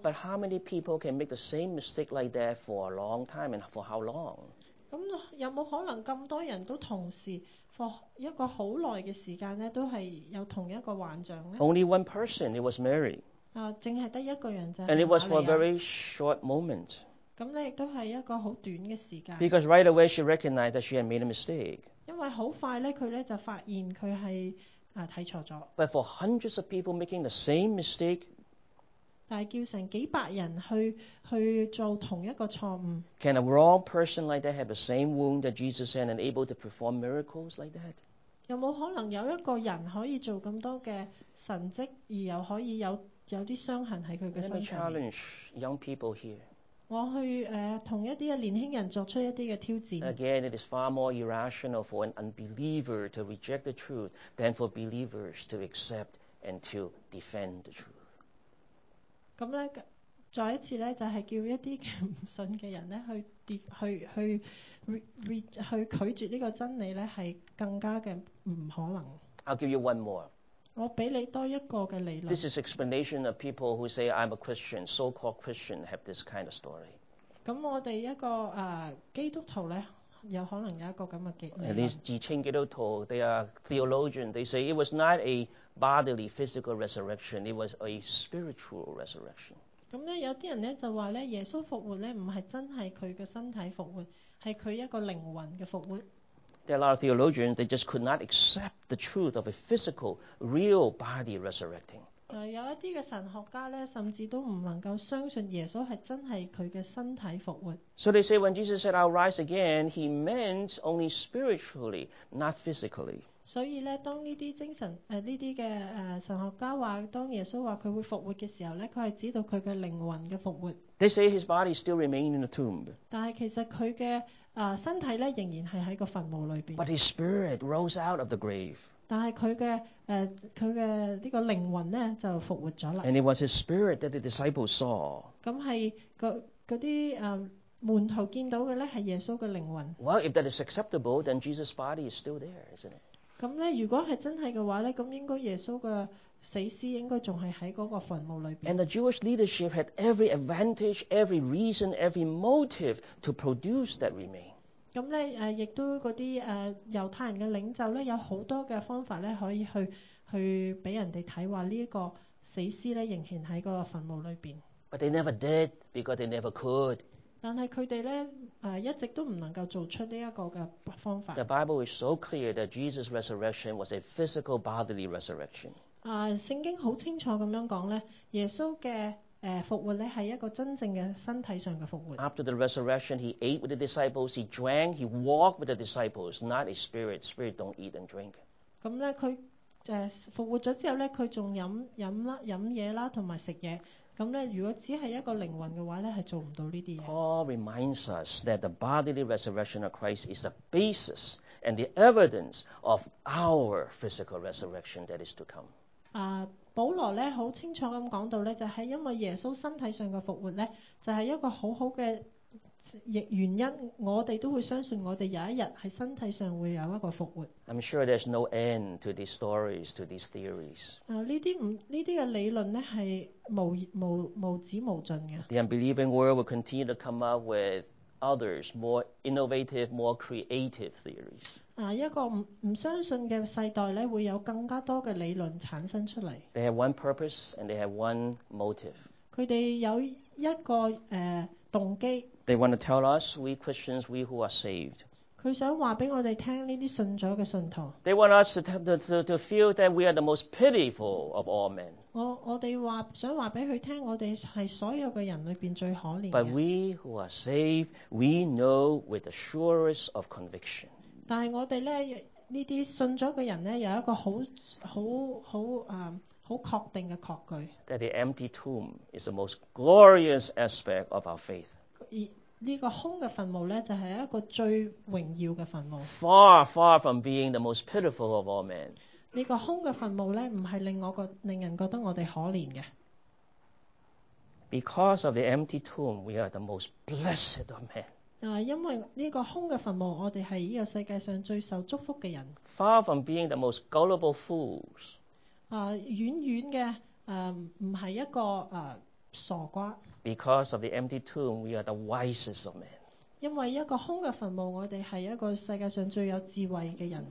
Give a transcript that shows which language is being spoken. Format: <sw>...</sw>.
<en>But how many people can make the same mistake like that for a long time and for how long？</en> <yue>咁有冇可能咁多人都同時 for 一個好耐嘅時間咧，都係有同一個幻象咧</yue> <en>？Only one person. It was Mary.</en> <yue>淨係得一個人就係瑪利亞。</yue> <en>And it was for a very short moment.</en> <yue>咁咧亦都係一個好短嘅時間。</yue> <en>Because right away she recognized that she had made a mistake.</en> <yue>因為好快咧，佢咧就發現佢係啊睇錯咗。</yue> <en>But for hundreds of people making the same mistake.</en> <yue>但係叫成幾百人去做同一個錯誤。</yue> <en>Can a wrong person like that have the same wound that Jesus had and able to perform miracles like that?</en> <yue>有冇可能有一個人可以做咁多嘅神蹟，而又可以有啲傷痕喺佢嘅身上</yue> <en>？Let me challenge young people here.</en> <yue>我去同一啲嘅年輕人作出一啲嘅挑戰。</yue> <en>Again, it is far more irrational for an unbeliever to reject the truth than for believers to accept and to defend the truth.</en> <yue>咁咧，再一次咧，就係叫一啲嘅唔信嘅人咧，去拒絕呢個真理咧，係更加嘅唔可能。</yue> <en>I'll give you one more。</en> <yue>我俾你多一個嘅理論。</yue> <en>This is explanation of people who say I'm a Christian, so-called Christian, have this kind of story。</en> <yue>咁我哋一個基督徒咧。有可能有一個咁嘅結論。</yue> <en>At least</en> <yue>自稱基督徒</yue> <en>，they are theologian. They say it was not a bodily physical resurrection. It was a spiritual resurrection.</en> <yue>咁咧，有啲人咧就話咧，耶穌復活咧唔係真係佢嘅身體復活，係佢一個靈魂嘅復活。</yue> <en>There are a lot of theologians. They just could not accept the truth of a physical, real body resurrecting.</en> <yue>有一啲嘅神學家咧，甚至都唔能夠相信耶穌係真係佢嘅身體復活。</yue> <en>So they say when Jesus said, "I'll rise again," he meant only spiritually, not physically.</en> <yue>所以咧，當呢啲精神呢啲嘅神學家話，當耶穌話佢會復活嘅時候咧，佢係指到佢嘅靈魂嘅復活。</yue> <en>They say his body still remained in the tomb.</en> <yue>但係其實佢嘅身體咧仍然係喺個墳墓裏邊。</yue> <en>But his spirit rose out of the grave.</en> <yue>但係佢嘅呢個靈魂咧就復活咗啦。</yue> <en>And it was his spirit that the disciples saw。</en> <yue>咁係嗰啲門徒見到嘅咧係耶穌嘅靈魂。</yue> <en>Well, if that is acceptable, then Jesus' body is still there, isn't it?</en> <yue>咁咧，如果係真係嘅話咧，咁應該耶穌嘅死屍應該仲係喺嗰個墳墓裏邊。</yue> <en>And the Jewish leadership had every advantage, every reason, every motive to produce that remain.</en> <yue>咁咧，亦都嗰啲猶太人嘅領袖咧，有好多嘅方法咧，可以去俾人哋睇話呢一個死屍咧，仍然喺嗰個墳墓裏邊。</yue> <en>But they never did because they never could.</en> <yue>但係佢哋咧一直都唔能夠做出呢一個嘅方法。</yue> <en>The Bible is so clear that Jesus' resurrection was a physical bodily resurrection.</en> <yue>聖經好清楚咁樣講咧，耶穌嘅復活咧係一個真正嘅身體上嘅復活。</yue> <en>After the resurrection, he ate with the disciples, he drank, he walked with the disciples. Not a spirit. Spirit don't eat and drink.</en> <yue>咁咧，佢復活咗之後咧，佢仲飲嘢啦，同埋食嘢。咁咧，如果只係一個靈魂嘅話咧，係做唔到呢啲嘢。</yue> <en>Paul reminds us that the bodily resurrection of Christ is the basis and the evidence of our physical resurrection that is to come.</en> <yue>保罗咧好清楚咁讲到咧，就系因为耶稣身体上嘅复活咧，就系一个好好嘅原因。我哋都会相信，我哋有一日喺身体上会有一个复活。</yue> <en>I'm sure there's no end to these stories, to these theories.</en> <yue>呢啲嘅理论咧系无止无尽嘅。</yue> <en>The unbelieving world will continue to come up with others more innovative, more creative theories.</en> <yue>一個唔相信嘅世代咧，會有更加多嘅理論產生出嚟。</yue> <en>They have one purpose and they have one motive.</en> <yue>佢哋有一個動機。</yue> <en>They want to tell us, we Christians, we who are saved.</en> <yue>佢想話俾我哋聽呢啲信咗嘅信徒。</yue> <en>They want us to feel that we are the most pitiful of all men.</en> <yue>我想話俾佢聽，我哋係所有嘅人裏邊最可憐。</yue> <en>But we who are saved, we know with the surest of conviction.</en> <yue>但係我哋咧，呢啲信咗嘅人咧，有一個好確定嘅確據。</yue> <en>That the empty tomb is the most glorious aspect of our faith.</en> <yue>呢個空嘅墳墓咧，就係一個最榮耀嘅墳墓。</yue> <en>Far, far from being the most pitiful of all men.</en> <yue>呢個空嘅墳墓咧，唔係令人覺得我哋可憐嘅。</yue> <en>Because of the empty tomb, we are the most blessed of men.</en> <yue>因為呢個空嘅墳墓，我哋係呢個世界上最受祝福嘅人。</yue> <en>Far from being the most gullible fools，</en> <yue>遠嘅唔係一個傻瓜。</yue> <en>Because of the empty tomb, we are the wisest of men。</en> <yue>因為一個空嘅墳墓，我哋係一個世界上最有智慧嘅人。</yue>